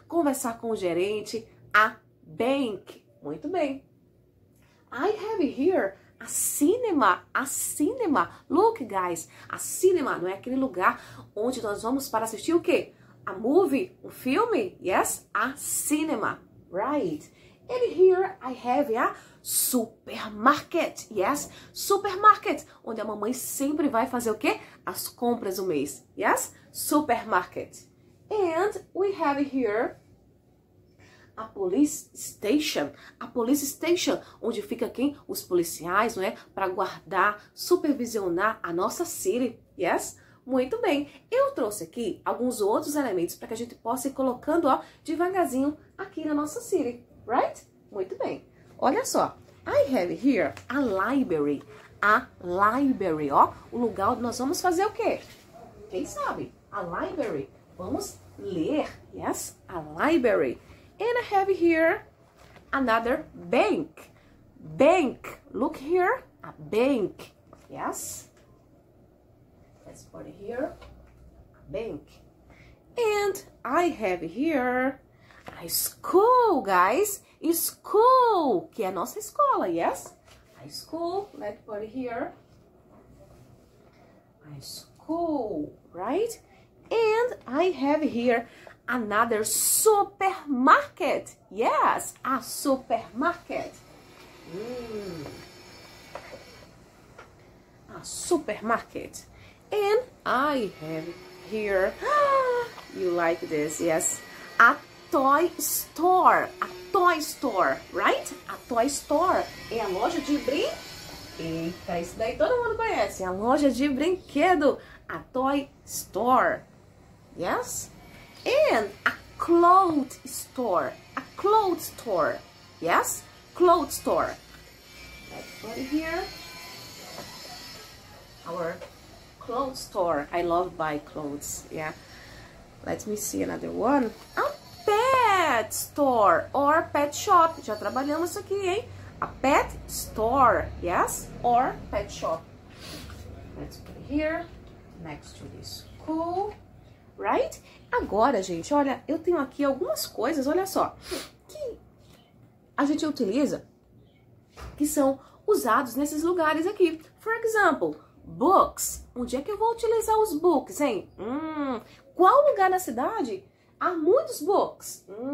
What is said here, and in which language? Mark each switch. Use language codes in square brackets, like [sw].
[pt] Conversar com o gerente. A bank. Muito bem. [en] I have here a cinema. A cinema. Look, guys. [pt] A cinema, não é aquele lugar onde nós vamos para assistir o quê? [en] A movie, o filme, yes? A cinema. Right. And here I have a supermarket, yes? [pt] Supermarket, onde a mamãe sempre vai fazer o quê? As compras do mês, yes? Supermarket. [en] And we have here a police station. [pt] A police station, onde fica quem? Os policiais, não é? Para guardar, supervisionar a nossa city, yes? Muito bem, eu trouxe aqui alguns outros elementos para que a gente possa ir colocando, ó, devagarzinho aqui na nossa city. [en] Right? Muito bem. Olha só. I have here a library. A library, ó. [pt] O lugar onde nós vamos fazer o quê? [en] Quem sabe? A library. Vamos ler. Yes? A library. And I have here another bank. Bank. Look here. A bank. Yes? Let's put it here. A bank. And I have here a school, guys. [pt] School, que é a nossa escola, yes? [en] A school, let's put it here. A school, right? And I have here another supermarket. Yes, a supermarket. A supermarket. And I have here, you like this, yes? A toy store. A toy store, right? [pt] A toy store é a loja de brinquedo. Isso daí todo mundo conhece. A loja de brinquedo. A toy store. Yes? [en] And a clothes store. A clothes store. Yes? Clothes store. Let's put it here. Our clothes store. I love buy clothes. Yeah. Let me see another one. Pet store or pet shop. [pt] Já trabalhamos isso aqui, hein? [en] A pet store, yes? Or pet shop. Let's put it here, next to the school, right? [pt] Agora, gente, olha, eu tenho aqui algumas coisas, olha só, que a gente utiliza, que são usados nesses lugares aqui. For example, books. Onde é que eu vou utilizar os books, hein? qual lugar na cidade há muitos books?